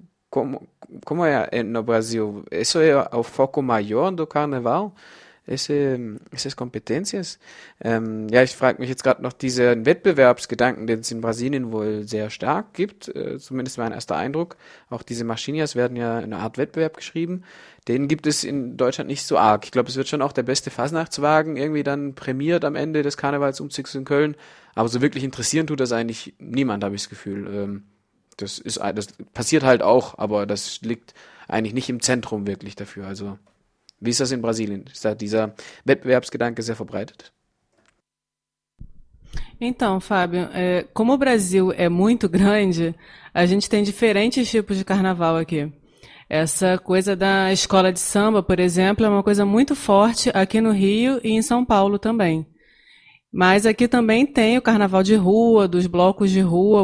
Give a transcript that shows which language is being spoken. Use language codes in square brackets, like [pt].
[pt] Como é no Brasil? Isso é o foco maior do carnaval? Es ist Kompetenzias. [de] Ich frage mich jetzt gerade noch diesen Wettbewerbsgedanken, den es in Brasilien wohl sehr stark gibt, zumindest mein erster Eindruck. Auch diese Maschinias werden ja in einer Art Wettbewerb geschrieben. Den gibt es in Deutschland nicht so arg. Ich glaube, es wird schon auch der beste Fasnachtswagen irgendwie dann prämiert am Ende des Karnevalsumzugs in Köln. Aber so wirklich interessieren tut das eigentlich niemand, habe ich das Gefühl. Das passiert halt auch, aber das liegt eigentlich nicht im Zentrum wirklich dafür. Also, wie ist das in Brasilien? Ist da dieser Wettbewerbsgedanke sehr verbreitet? [pt] Então, Fábio, como o Brasil é muito grande, a gente tem diferentes tipos de carnaval aqui. Essa coisa da escola de samba, por exemplo, é uma coisa muito forte aqui no Rio e em São Paulo também. Mas aqui também tem o carnaval de rua, dos blocos de rua.